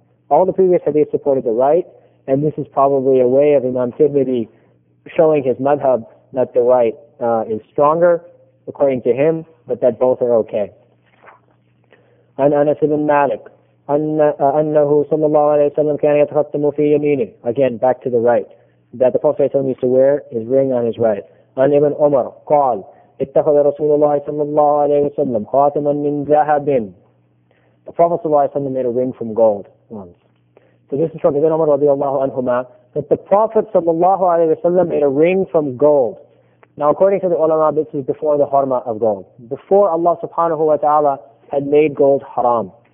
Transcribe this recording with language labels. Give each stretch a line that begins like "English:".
English: All the previous hadiths supported the right, and this is probably a way of Imam Tirmidhi showing his madhab that the right is stronger, according to him, but that both are okay. And Anas ibn Malik.
Arabic: أنه صلى الله عليه وسلم كان يتختم في يمينه.
English: Again, back to the right. That the Prophet used to wear his ring on his right. And Ibn Umar
Arabic: قال اتخذ رسول الله صلى الله عليه وسلم خاتما من ذهب.
English: The Prophet صلى الله عليه وسلم made a ring from gold once. So this is from Ibn Umar رضي الله عنهما, that the Prophet صلى الله عليه وسلم made a ring from gold. Now, according to the ulama, this is before the harma of gold. Before Allah subhanahu wa ta'ala had made gold haram.